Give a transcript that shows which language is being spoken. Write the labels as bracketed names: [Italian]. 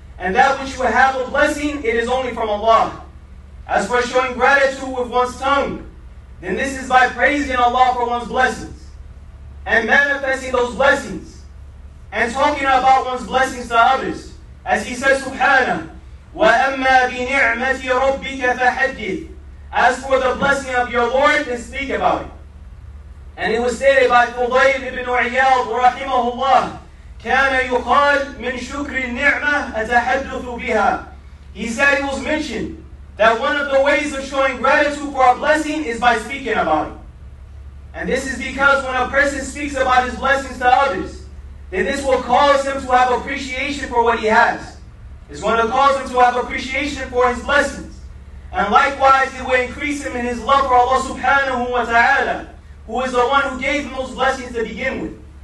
[English] And that which you have a blessing, it is only from Allah. As for showing gratitude with one's tongue, then this is by praising Allah for one's blessings, and manifesting those blessings, and talking about one's blessings to others. As He says, subhanahu, [Arabic] وَأَمَّا بِنِعْمَةِ رَبِّكَ فَحَدِّثْ. [English] As for the blessing of your Lord, then speak about it. And it was stated by Fudayl ibn Uyayl, رحمه الله, [Arabic] كان يقال من شكر النعمة أتحدث بها. [English] He said, it was mentioned that one of the ways of showing gratitude for a blessing is by speaking about it. And this is because when a person speaks about his blessings to others, then this will cause him to have appreciation for what he has. It's going to cause him to have appreciation for his blessings. And likewise, it will increase him in his love for Allah subhanahu wa ta'ala, who is the one who gave him those blessings to begin with.